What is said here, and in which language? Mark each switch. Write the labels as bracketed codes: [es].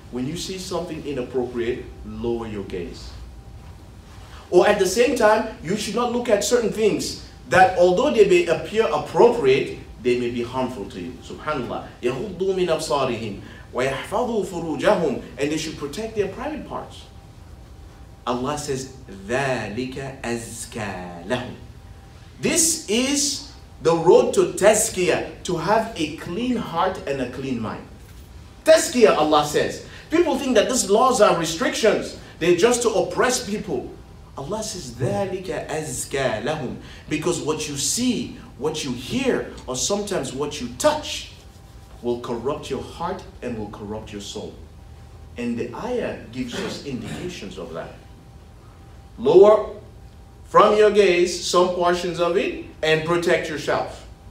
[en] When you see something inappropriate, lower your gaze. Or at the same time, you should not look at certain things that although they may appear appropriate, they may be harmful to you. [ar] SubhanAllah. يَهُضُّوا مِنْ أَبْصَارِهِمْ وَيَحْفَظُوا فُرُوجَهُمْ. [en] And they should protect their private parts. Allah says, [ar] ذَلِكَ أَزْكَى لَهُمْ. [en] This is the road to tazkiyah, to have a clean heart and a clean mind. Tazkiyah, Allah says. People think that these laws are restrictions. They're just to oppress people. Allah says, [ar] ذَلِكَ أَزْكَى لَهُمْ. [en] Because what you see, what you hear, or sometimes what you touch will corrupt your heart and will corrupt your soul. And the ayah gives us indications of that. Lower from your gaze some portions of it and protect yourself.